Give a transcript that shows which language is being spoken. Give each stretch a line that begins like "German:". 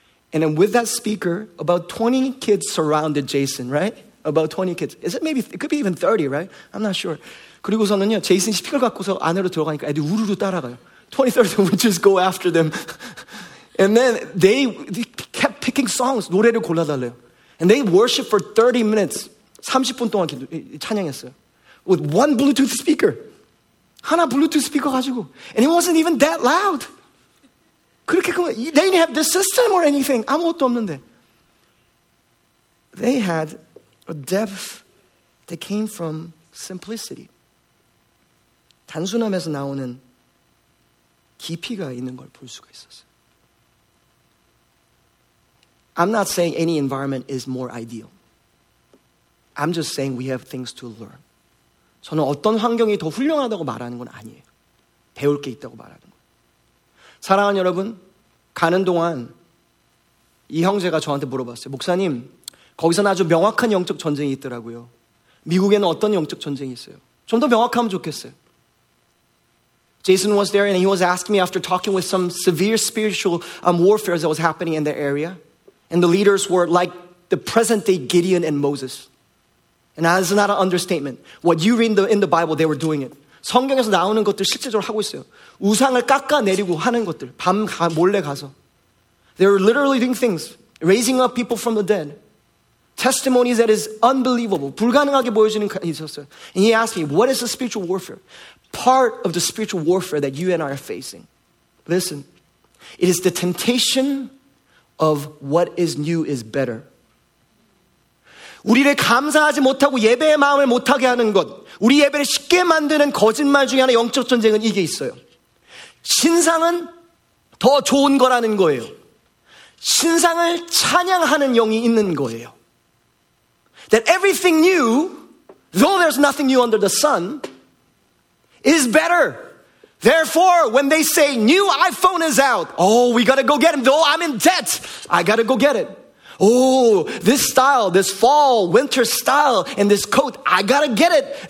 English: And then with that speaker, about 20 kids surrounded Jason, right? About 20 kids. Is it maybe, it could be even 30, right? I'm not sure.
Korean: 그리고서는요, 제이슨이 스피커 갖고서 안으로 들어가니까 애들이 우르르 따라가요.
English: 20, 30 would just go after them. And then they kept picking songs,
Korean: 노래를 골라달래요.
English: And they worshiped for 30 minutes,
Korean: 30분 동안 찬양했어요.
English: With one Bluetooth speaker.
Korean: 하나 Bluetooth speaker 가지고.
English: And it wasn't even that loud.
Korean: 그렇게 큰 거예요.
English: They didn't have the system or anything.
Korean: 아무것도 없는데.
English: They had a depth that came from simplicity.
Korean: 단순함에서 나오는 깊이가 있는 걸 볼 수가 있었어요.
English: I'm not saying any environment is more ideal. I'm just saying we have things to learn.
Korean: 저는 어떤 환경이 더 훌륭하다고 말하는 건 아니에요. 배울 게 있다고 말하는 거예요. 사랑하는 여러분, 가는 동안 이 형제가 저한테 물어봤어요. 목사님, 거기서는 아주 명확한 영적 전쟁이 있더라고요. 미국에는 어떤 영적 전쟁이 있어요? 좀 더 명확하면 좋겠어요.
English: Jason was there and he was asking me after talking with some severe spiritual warfare that was happening in the area. And the leaders were like the present-day Gideon and Moses. And that is not an understatement. What you read in the Bible, they were doing it.
Korean: 성경에서 나오는 것들 실제적으로 하고 있어요. 우상을 깎아내리고 하는 것들. 밤 몰래 가서.
English: They were literally doing things. Raising up people from the dead. Testimonies that is unbelievable.
Korean: 불가능하게 보여지는 게 있었어요.
English: And he asked me, what is the spiritual warfare? Part of the spiritual warfare that you and I are facing. Listen. It is the temptation of what is new is better.
Korean: 우리를 감사하지 못하고 예배의 마음을 못하게 하는 것, 우리 예배를 쉽게 만드는 거짓말 중에 하나 영적 전쟁은 이게 있어요. 신상은 더 좋은 거라는 거예요. 신상을 찬양하는 영이 있는 거예요.
English: That everything new, though there's nothing new under the sun, is better. Therefore, when they say, new iPhone is out, oh, we gotta go get it. Though I'm in debt, I gotta go get it. Oh, this style, this fall, winter style, and this coat, I gotta get it.